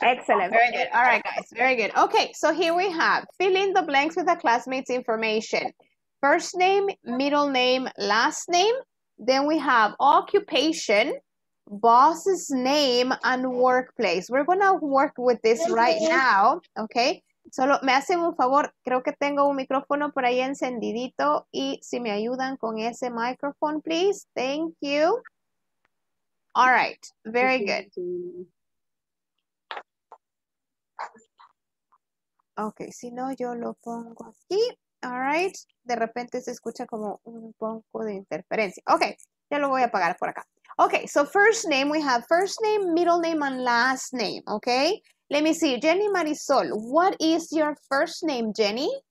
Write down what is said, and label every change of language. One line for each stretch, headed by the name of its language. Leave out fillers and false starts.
English: Excellent, very good. All right, guys, very good. Okay, so here we have, fill in the blanks with a classmate's information. First name, middle name, last name. Then we have occupation, boss's name, and workplace. We're gonna work with this right now, okay?
Spanish: Solo me hacen un favor, creo que tengo un micrófono por ahí encendidito, y si me ayudan con ese
English: microphone, please. Thank you. All right, very good.
Spanish: Okay, si no, yo lo pongo aquí.
English: All right,
Spanish: de repente se escucha como un poco de interferencia. Okay, ya lo voy a apagar por acá.
English: Okay, so first name, we have first name, middle name, and last name, okay? Let me see, Jenny Marisol, what is your first name, Jenny?